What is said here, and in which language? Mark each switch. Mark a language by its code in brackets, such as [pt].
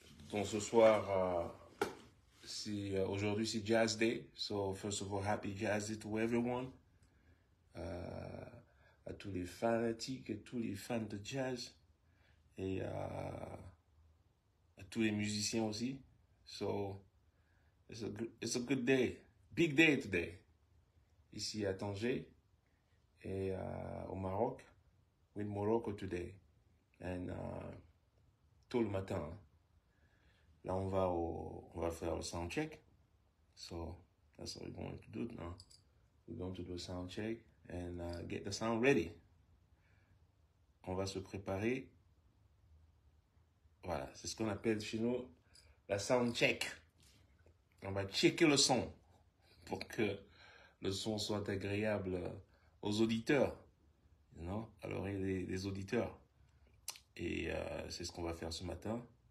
[fr] Donc ce soir, aujourd'hui c'est Jazz Day. [en] So first of all, happy Jazz Day to everyone. [fr] À tous les fanatiques, à tous les fans de jazz. Et à tous les musiciens aussi. [en] So it's a good day. Big day today. [fr] Ici à Tanger et au Maroc. [en] With Morocco today. And [fr] tôt le matin. Là, on va faire le sound check. [en] So, that's what we're going to do now. We're going to do a sound check and get the sound ready. [fr] On va se préparer. Voilà, c'est ce qu'on appelle chez nous la sound check. On va checker le son pour que le son soit agréable aux auditeurs. Non, à l'oreille des auditeurs. Et c'est ce qu'on va faire ce matin.